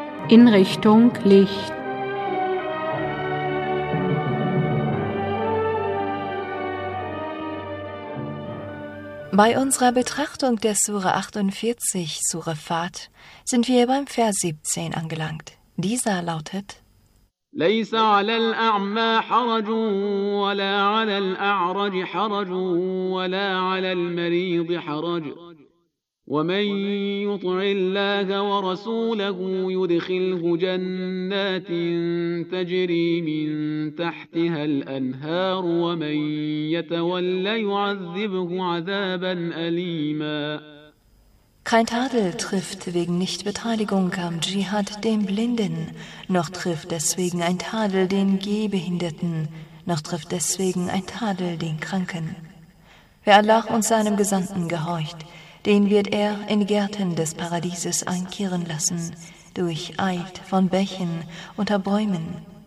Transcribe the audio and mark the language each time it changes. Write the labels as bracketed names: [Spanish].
[German] In Richtung Licht. Bei unserer Betrachtung der Sure 48, Sure Fat, sind wir beim Vers 17 angelangt. Dieser lautet: [Arabic] ليس على الأعمى حرج ولا على الأعرج حرج ولا على المريض حرج ومن يطع الله ورسوله يدخله جنات تجري من تحتها الأنهار ومن يتولى يعذبه عذابا أليما. [German] Kein Tadel trifft wegen Nichtbeteiligung am Dschihad den Blinden, noch trifft deswegen ein Tadel den Gehbehinderten, noch trifft deswegen ein Tadel den Kranken. Wer Allah und seinem Gesandten gehorcht, den wird er in Gärten des Paradieses einkehren lassen, durch Eid von Bächen unter Bäumen.